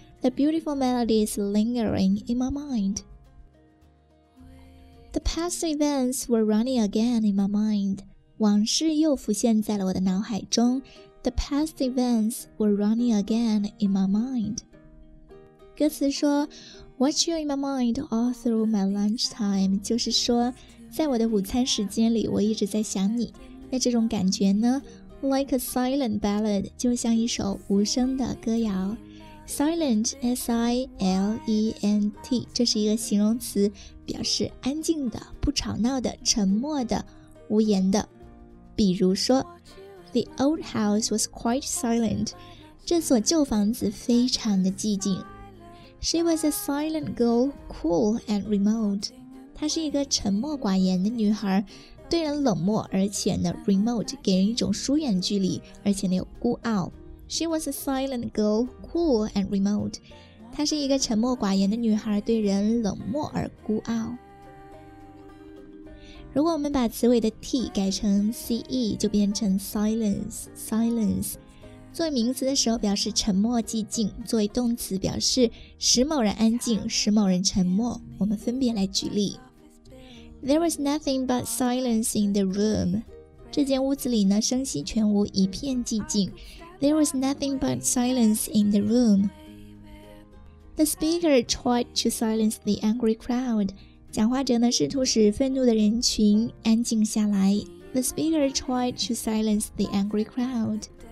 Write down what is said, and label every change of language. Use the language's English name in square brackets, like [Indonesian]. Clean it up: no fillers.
[English] The beautiful melody is lingering in my mind. The past events were running again in my mind. [Chinese] 往事又浮现在了我的脑海中。 [English] The past events were running again in my mind. [Chinese] 歌词说 [English] Watch you in my mind all through my lunchtime. [Chinese] 就是说在我的午餐时间里我一直在想你。那这种感觉呢 [English] Like a silent ballad, [Chinese] 就像一首无声的歌谣。 Silent, S-I-L-E-N-T， 这是一个形容词，表示安静的、不吵闹的、沉默的、无言的。比如说 [English] The old house was quite silent， [Chinese] 这所旧房子非常的寂静。 [English] She was a silent girl, cool and remote， [Chinese] 她是一个沉默寡言的女孩，对人冷漠，而且呢 remote 给人一种疏远距离，而且呢有孤傲。 [English] She was a silent girl, cool and remote. [Chinese] 她是一个沉默寡言的女孩，对人冷漠而孤傲。如果我们把词尾的 t 改成 ce， 就变成 silence, silence. 作为名词的时候表示沉默寂静，作为动词表示使某人安静，使某人沉默。我们分别来举例。 [English] There was nothing but silence in the room. [Chinese] 这间屋子里呢，声息全无，一片寂静。 [English] There was nothing but silence in the room. The speaker tried to silence the angry crowd. [Chinese] 讲话者呢，试图使愤怒的人群安静下来。 [English] The speaker tried to silence the angry crowd.